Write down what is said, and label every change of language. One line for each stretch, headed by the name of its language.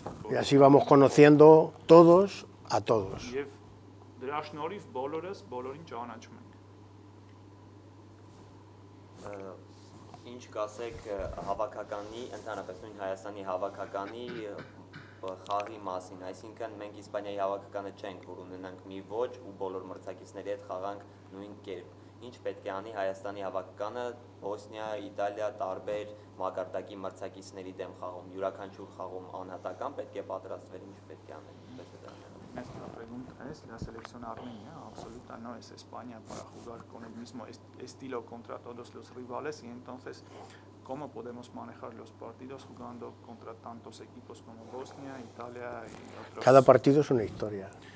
Spanish: Y así vamos conociendo todos a todos.
Armenian: Խաղի մասին, այսինքն մենք Իսպանիայի հավաքականը չենք, որ ունենանք մի ոչ ու բոլոր մրցակիցների հետ խաղանք նույն կերպ։ Ինչ պետք է անի Հայաստանի հավաքականը Բոսնիա, Իտալիա, տարբեր մակարդակի մրցակիցների դեմ խաղում, յուրաքանչյուր խաղում անհատական պետք է պատրաստվեր, ինչ պետք է անել։
Spanish: La selección armenia absoluta no es España para jugar con el mismo estilo contra todos los rivales y entonces cómo podemos manejar los partidos jugando contra tantos equipos como Bosnia, Italia y otros. Cada partido es una historia.